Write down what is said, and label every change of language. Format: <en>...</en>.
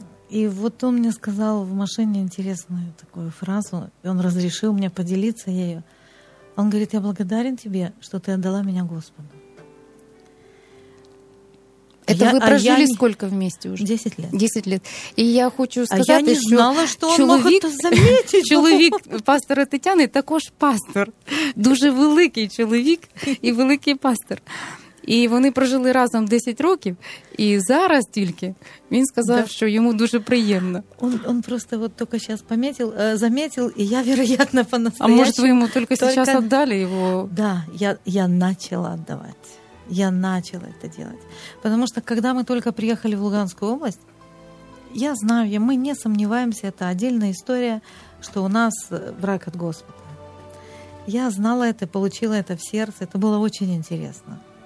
<ru>И вот он мне сказал в машине интересную такую фразу, и он разрешил мне поделиться ею. Он говорит, я благодарен тебе, что ты отдала меня Господу. Это вы прожили сколько вместе уже? 10 лет. 10 лет. И я хочу сказать, что... А я не знала, что он мог это заметить.</ru> <uk>Чоловік пастора Тетяни також пастор. Дуже великий чоловік і великий пастор. І вони прожили разом 10 років. І зараз тільки він сказав, да, що йому дуже приємно.</uk> <ru>Он просто вот только сейчас пометил, заметил,</ru> <uk>і я,</uk> <ru>вероятно, по-настоящему... А может,</ru> <uk>ви йому тільки</uk> <ru>сейчас отдали</ru> <uk>його?</uk> <ru>Да, я начала отдавать. Я начала это делать. Потому что, когда мы только приехали в Луганскую область, я знаю, мы не сомневаемся, это отдельная история, что у нас брак от Господа. Я знала это, получила это в сердце. Это было очень интересно.</ru>